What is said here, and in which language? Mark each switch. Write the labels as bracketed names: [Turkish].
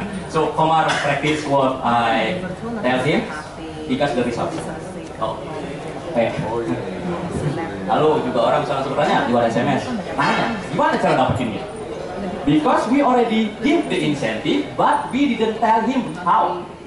[English] So, Komar practice what I tell him, because the result. Oh, okay. [Indonesian] Lalu juga orang bisa langsung tanya di luar SMS. Tanya, gimana cara dapetinnya? [English] Because we already give the incentive, but we didn't tell him how.